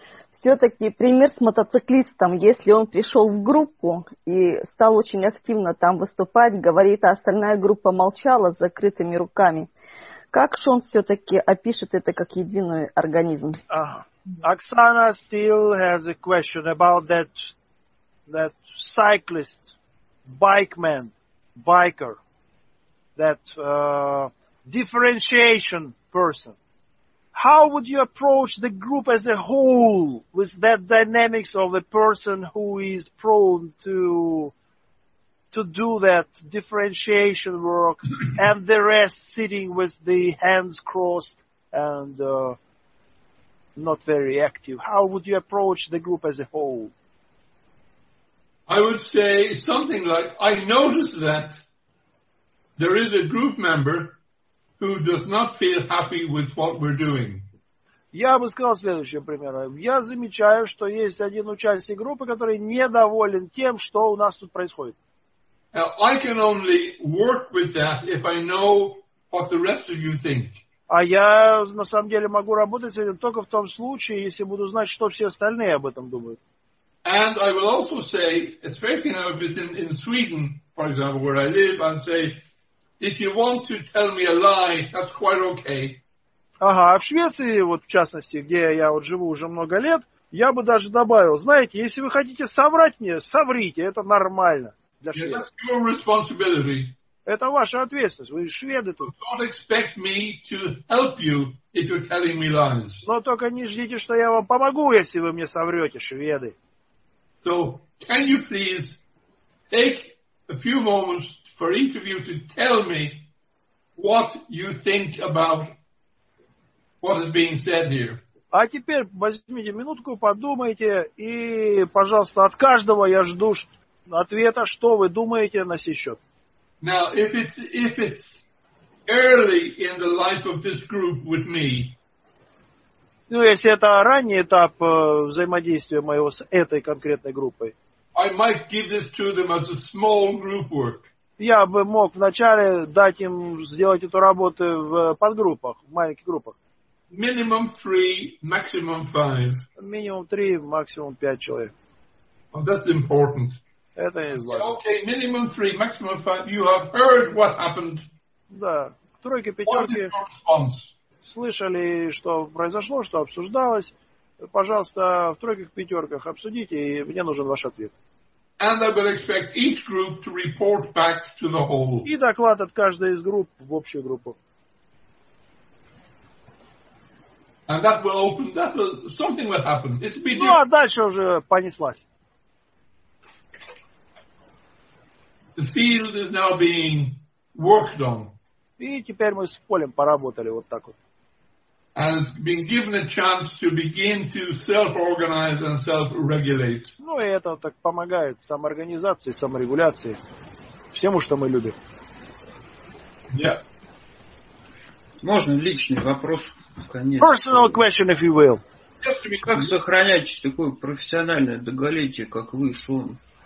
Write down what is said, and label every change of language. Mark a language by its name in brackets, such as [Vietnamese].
[Russian] Все-таки пример с мотоциклистом, если он пришел в группу и стал очень активно там выступать, говорит, а остальная группа молчала с закрытыми руками. Как же он все-таки опишет это как единый организм? [English] Оксана still has a question about that cyclist, bikeman, biker, that differentiation person. How would you approach the group as a whole with that dynamics of a person who is prone to do that differentiation work and the rest sitting with the hands crossed and not very active? How would you approach the group as a whole? I would say something like, I noticed that there is a group member who does not feel happy with what we're doing. [Russian] Я бы сказал следующее, примерно. Я замечаю, что есть один участник группы, который недоволен тем, что у нас тут происходит. [English] Now, I can only work with that if I know what the rest of you think. [Russian] А я на самом деле могу работать с этим только в том случае, если буду знать, что все остальные об этом думают. [English] And I will also say, especially now if it's in Sweden, for example, where I live, and say, if you want to tell me a lie, that's quite okay. [Russian] Ага, а в Швеции, вот в частности, где я вот живу уже много лет, я бы даже добавил, знаете, если вы хотите соврать мне, соврите, это нормально. Для Швеции. [English] Yeah, that's your responsibility. [Russian] Это ваша ответственность, вы шведы тут. [English] Don't expect me to help you if you're telling me lies. [Russian] Но только не ждите, что я вам помогу, если вы мне соврете, шведы. [English] So, can you please take a few moments for each of you to tell me what you think about what is being said here. [Russian] А теперь возьмите минутку, подумайте, и, пожалуйста, от каждого я жду ответа, что вы думаете на сей счет. [English] Now, if it's early in the life of this group with me. [Russian] Ну, если это ранний этап взаимодействия моего с этой конкретной группой. [English] I might give this to them as a small group work. [Russian] Я бы мог вначале дать им сделать эту работу в подгруппах, в маленьких группах. [English] Minimum 3, maximum 5. [Russian] Минимум 3, максимум 5 человек. [English] Well, that's important. [Russian] Это не важно. [English] Okay, minimum 3, maximum 5. You have heard what happened. [Russian] Да, тройки, пятерки. [English] What is your response? [Russian] Слышали, что произошло, что обсуждалось. Пожалуйста, в тройках, пятерках обсудите, и мне нужен ваш ответ. [English] And I will expect each group to report back to the whole. [Russian] И доклад от каждой из групп в общую группу. [English] And that will open. That will, something will happen. It'll be. [Russian] Ну а дальше уже понеслась. [English] The field is now being worked on. [Russian] И теперь мы с полем поработали вот так вот. [English] And it's been given a chance to begin to self-organize and self-regulate. Ну и это так помогает самоорганизации, саморегуляции, всему, что мы любим. Yeah. [Russian] Можно личный вопрос, конечно. [English] Personal question, if you will. [Russian] Как сохранять такое профессиональное долголетие, как вы, Шон?